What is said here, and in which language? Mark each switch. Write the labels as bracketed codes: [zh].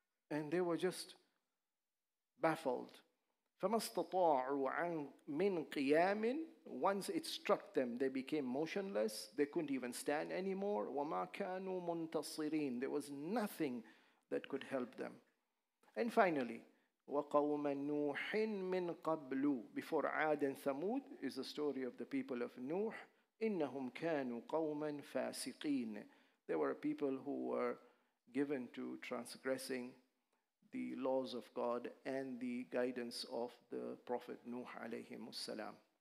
[en] And they were just baffled. [ar] فَمَا اسْتَطَاعُوا عَنْ مِنْ قِيَامٍ. [en] Once it struck them, they became motionless. They couldn't even stand anymore. [ar] وَمَا كَانُوا مُنْتَصِرِينَ. [en] There was nothing that could help them. And finally, [ar] وَقَوْمَ نُوحٍ مِنْ قَبْلُ. [en] Before عَاد and ثَمُود is the story of the people of Nuh. [ar] إِنَّهُمْ كَانُوا قَوْمًا فَاسِقِينَ. [en] They were a people who were given to transgressing the laws of God and the guidance of the Prophet Nuh alayhim salam.